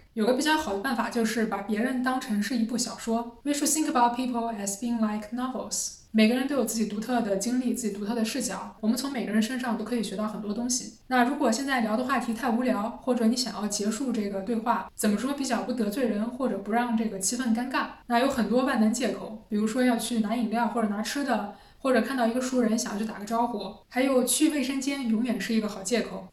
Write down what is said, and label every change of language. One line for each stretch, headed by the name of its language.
Chinese: 有个比较好的办法就是把别人当成是一部小说。
English: We should think about people as being like novels。
Chinese: 每个人都有自己独特的经历，自己独特的视角，我们从每个人身上都可以学到很多东西。那如果现在聊的话题太无聊，或者你想要结束这个对话，怎么说比较不得罪人，或者不让这个气氛尴尬，那有很多万能借口，比如说要去拿饮料或者拿吃的，或者看到一个熟人想要去打个招呼，还有去卫生间永远是一个好借口。